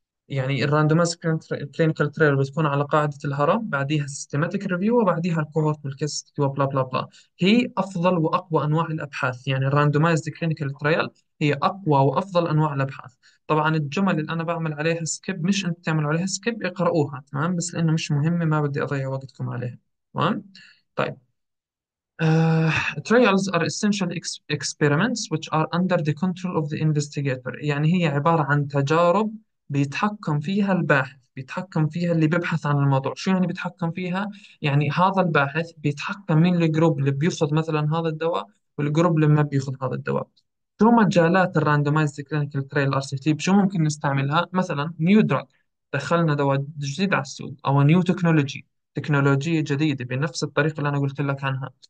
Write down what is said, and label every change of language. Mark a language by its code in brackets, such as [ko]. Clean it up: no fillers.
[ar] يعني الراندومايزد كلينيكال ترايل بتكون على قاعدة الهرم، بعديها السيستماتيك ريفيو، وبعديها الكوهورت والكيس وبلا بلا بلا. هي أفضل وأقوى أنواع الأبحاث، يعني الراندومايزد كلينيكال ترايل هي أقوى وأفضل أنواع الأبحاث. طبعا الجمل اللي انا بعمل عليها سكيب، مش انت تعمل عليها سكيب، اقرؤوها. تمام، بس لانه مش مهمه ما بدي اضيع وقتكم عليها. تمام، طيب [en] trials are essential experiments which are under the control of the investigator. [ar] يعني هي عبارة عن تجارب بيتحكم فيها الباحث، بيتحكم فيها اللي بيبحث عن الموضوع. شو يعني بيتحكم فيها؟ يعني هذا الباحث بيتحكم من الجروب اللي بياخذ مثلا هذا الدواء والجروب اللي ما بياخذ هذا الدواء. شو مجالات الراندومايزد كلينيكال ترايل ار سي تي؟ شو ممكن نستعملها؟ مثلا نيو دراج، دخلنا دواء جديد على السوق، او نيو تكنولوجي، تكنولوجيا جديده بنفس الطريقه اللي انا قلت لك عنها.